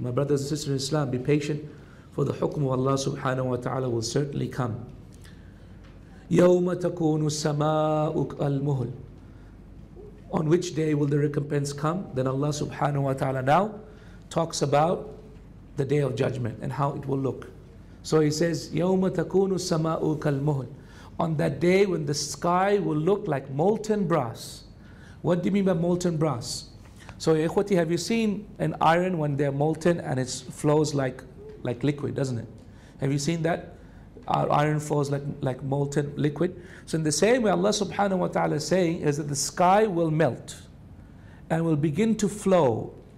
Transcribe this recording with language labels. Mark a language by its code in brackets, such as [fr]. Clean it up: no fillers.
[en] My brothers and sisters in Islam, be patient, for the hukm of Allah subhanahu wa ta'ala will certainly come. [ar] Yawma takunu samauk al-muhl. [en] On which day will the recompense come? Then Allah subhanahu wa ta'ala now talks about the day of judgment and how it will look. So He says, [ar] يَوْمَ تَكُونُ السَّمَاءُ كَالْمُهْلِ. [en] On that day when the sky will look like molten brass. What do you mean by molten brass? So ikhwati, have you seen an iron when they're molten and it flows like liquid, doesn't it? Have you seen that? Our iron flows like molten liquid. So in the same way, Allah subhanahu wa ta'ala is saying is that the sky will melt and will begin to flow.